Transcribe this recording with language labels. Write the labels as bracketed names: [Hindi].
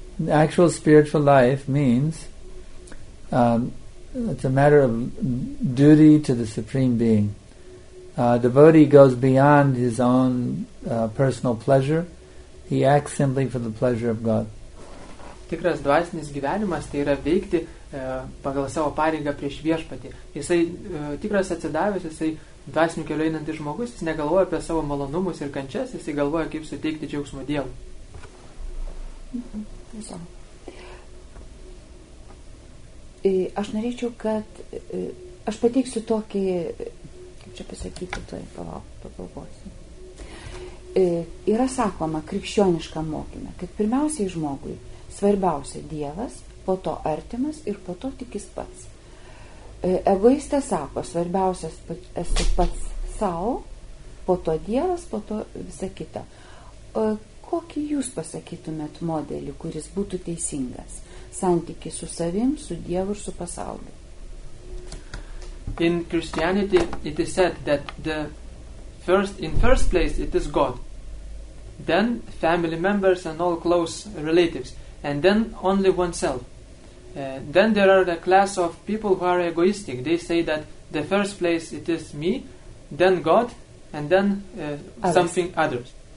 [English] Actual spiritual life means it's a matter of duty to the Supreme Being. A devotee goes beyond his own personal pleasure. He acts simply for the pleasure of God. [Lithuanian] Tikras dvasinis gyvenimas tai yra veikti pagal savo pareigą prieš Viešpatį. Jisai tikras atsidavęs, jisai dvasiniu keliu einantis žmogus, jis negalvoja apie savo malonumus ir kančias, jisai galvoja kaip suteikti džiaugsmo Dievui. Aš norėčiau, kad aš pateiksiu tokį, kaip čia pasakyti, tuoj pagalvosiu. Yra sakoma krikščioniška mokyme, kad pirmiausiai žmogui svarbiausia Dievas, po to artimas ir po to tik jis pats. Egoistas sako, svarbiausias esu pats savo, po to Dievas, po to visa kita. Kokį jūs pasakytumėt modelį, kuris būtų teisingas? Santykį su savim, su Dievu ir su pasauliu. [English] In Christianity it is said that the first place it is God, then family members and all close relatives, and then only oneself. Then there are the class of people who are egoistic. They say that the first place it is me, then God, and then something others.